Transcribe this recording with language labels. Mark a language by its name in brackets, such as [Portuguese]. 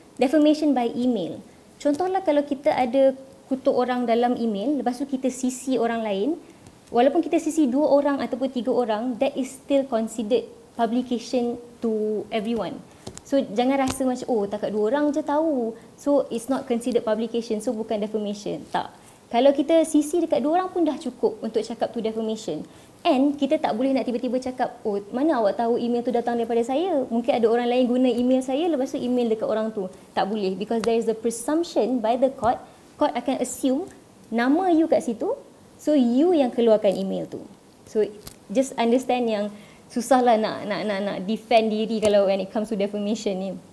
[English] Defamation by email. [Malay] Contohlah kalau kita ada kutuk orang dalam email, lepas tu kita CC orang lain. Walaupun kita CC 2 orang ataupun 3 orang, [English] that is still considered publication to everyone. [Malay] So jangan rasa macam, takat 2 orang je tahu. [English] So it's not considered publication, so [Malay] bukan defamation. Tak. Kalau kita CC dekat 2 orang pun dah cukup untuk cakap tu defamation. And kita tak boleh nak tiba-tiba cakap, mana awak tahu email tu datang daripada saya? Mungkin ada orang lain guna email saya, lepas tu email dekat orang tu. Tak boleh, [English] because there is a presumption by the court. [Malay] Court akan assume nama you kat situ, so you yang keluarkan email tu. [English] So just understand [Malay] yang susahlah nak defend diri kalau [English] when it comes to [Malay] defamation ni.